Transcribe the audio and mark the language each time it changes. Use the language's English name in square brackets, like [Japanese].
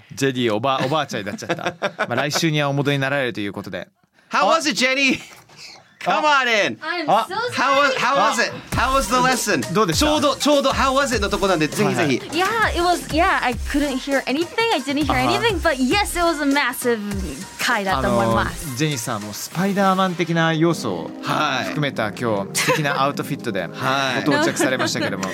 [Japanese] ジェニー、おばあちゃんになっちゃった。まあ来週にはお戻りになられるということで。 [English] How was it, Jenny? Come on in. I'm so sorry. How was it? How was the lesson? [Japanese] どうでした？ちょうど [English] How was it [Japanese] のとこなんで、ぜひぜひ。 [English] Yeah, it was. Yeah, I couldn't hear anything. I didn't hear anything. But yes, it was a massive [Japanese] 回だと思います。ジェニーさんもスパイダーマン的な要素を含めた今日素敵なアウトフィットでご到着されましたけども。